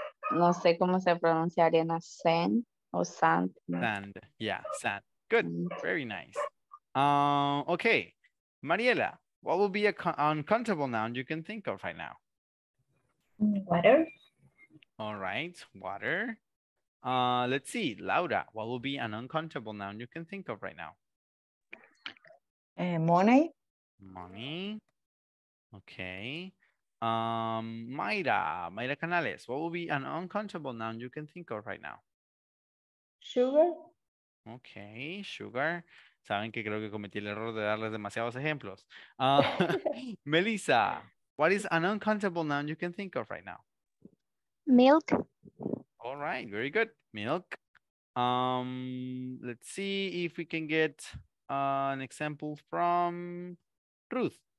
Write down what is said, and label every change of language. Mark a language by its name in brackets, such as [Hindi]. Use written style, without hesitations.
[Spanish] No sé cómo se pronunciaría en sand o sand. [English] Sand, yeah, sand. Good, very nice. Okay, Mariela, what will be an uncountable noun you can think of right now? Water. All right, water. Let's see, Laura, what will be an uncountable noun you can think of right now? Money. Money. Okay. Mayra, Mayra Canales, what will be an uncountable noun you can think of right now? Sugar. Okay, sugar. [Spanish] Saben que creo que cometí el error de darles demasiados ejemplos. [English] Melissa, what is an uncountable noun you can think of right now? Milk. All right, very good. Milk. Let's see if we can get an example from Ruth.